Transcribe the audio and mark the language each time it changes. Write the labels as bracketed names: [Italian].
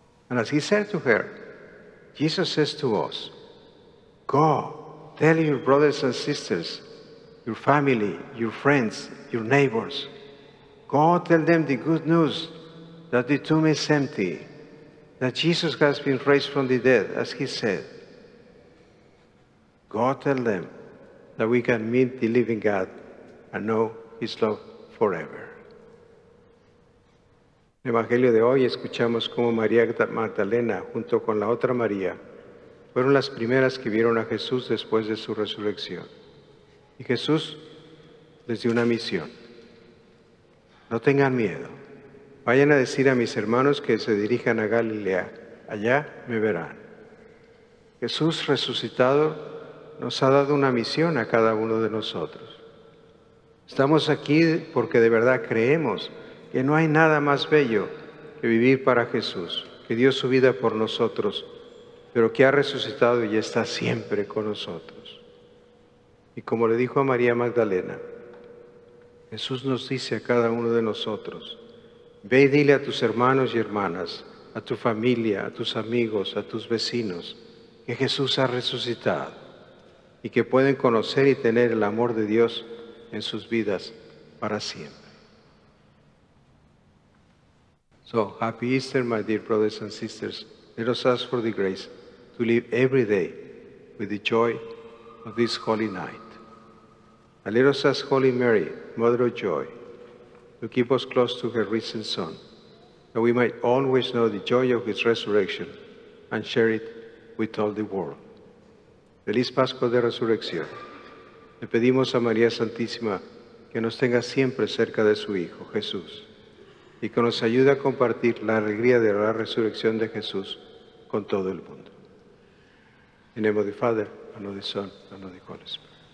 [English] And as he said to her, Jesus says to us, go, tell your brothers and sisters, your family, your friends, your neighbors, go tell them the good news that the tomb is empty, that Jesus has been raised from the dead, as he said. Go tell them that we can meet the living God and know his love forever. [Spanish] En el Evangelio de hoy escuchamos cómo María Magdalena, junto con la otra María, fueron las primeras que vieron a Jesús después de su resurrección. Y Jesús les dio una misión. No tengan miedo. Vayan a decir a mis hermanos que se dirijan a Galilea. Allá me verán. Jesús resucitado nos ha dado una misión a cada uno de nosotros. Estamos aquí porque de verdad creemos que no hay nada más bello que vivir para Jesús, que dio su vida por nosotros, pero que ha resucitado y está siempre con nosotros. Y como le dijo a María Magdalena, Jesús nos dice a cada uno de nosotros, ve y dile a tus hermanos y hermanas, a tu familia, a tus amigos, a tus vecinos, que Jesús ha resucitado y que pueden conocer y tener el amor de Dios en sus vidas para siempre. [English] So, happy Easter, my dear brothers and sisters. Let us ask for the grace to live every day with the joy of this holy night. And let us ask Holy Mary, Mother of Joy, to keep us close to her risen Son, that we might always know the joy of his resurrection and share it with all the world. [Spanish] Feliz Pascua de Resurrección. Le pedimos a María Santísima que nos tenga siempre cerca de su Hijo, Jesús, y que nos ayude a compartir la alegría de la resurrección de Jesús con todo el mundo. [English] In the name of the Father, and of the Son, and of the Holy Spirit.